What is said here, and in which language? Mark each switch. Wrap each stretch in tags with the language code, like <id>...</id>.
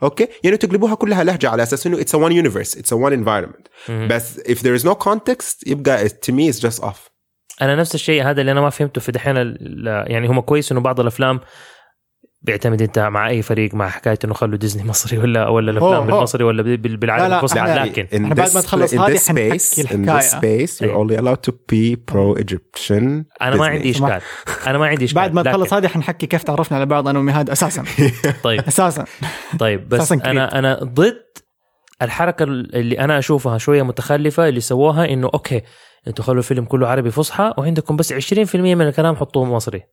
<ar>أوكي يعني تقلبوها كلها لهجة على أساس إنه</ar> <en>it's a one universe, it's a one environment.</en> <ar>بس</ar> <en>if there is no context</en> <ar>يبقى</ar> <en>to me it's just off.</en> <ar>أنا نفس الشيء هذا اللي أنا ما فهمته في دحين، يعني هما كويس إنه بعض الأفلام بيعتمد أنت مع أي فريق، مع حكاية إنه خلوا ديزني مصري ولا الأفلام بالمصري ولا بالعالم الفصحى. لكن إحنا بعد ما تخلص هذه حنحكي الحكاية.</ar> <en>In this space you're only allowed to be pro Egyptian.</en> <ar>أنا ما عندي إشكال. بعد ما تخلص هذه حنحكي كيف تعرفنا على بعض أنا ومهاد أساساً. طيب. أساساً. طيب. بس أنا ضد الحركة اللي أنا أشوفها شوية متخلفة اللي سووها، إنه أوكي أنتوا خلوا الفيلم كله عربي فصحى وعندكم بس 20% من الكلام حطوه مصري.</ar>